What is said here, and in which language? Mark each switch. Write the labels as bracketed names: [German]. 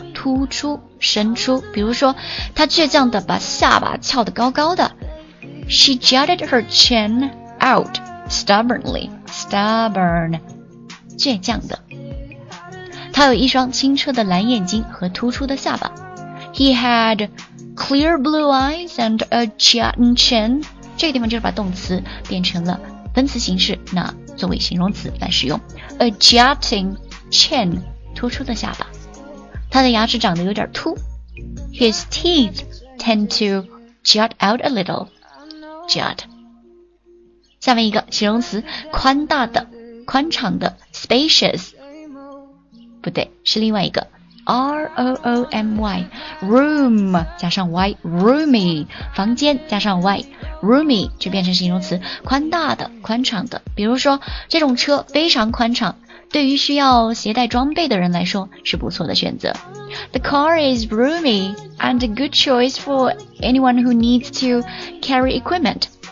[Chinese] 突出、伸出。比如说他倔强的把下巴翘得高高的， [English] She jutted her chin out stubbornly. [Chinese] Stubborn 倔强的。他有一双清澈的蓝眼睛和突出的下巴。 [English] He had clear blue eyes and a jutting chin. [Chinese] 这个地方就是把动词变成了分词形式，那作为形容词来使用。 [English] A jutting chin, [Chinese] 突出的下巴。他的牙齿长得有点突。 [English] His teeth tend to jut out a little. Jut. [Chinese] 下面一个形容词，宽大的、宽敞的 ,spacious. 不对，是另外一个 R-O-O-M-Y Room 加上 Y Roomy 房间加上 Y Roomy 就变成形容词，宽大的、宽敞的。比如说这种车非常宽敞，对于需要携带装备的人来说是不错的选择。 [English] The car is roomy and a good choice for anyone who needs to carry equipment.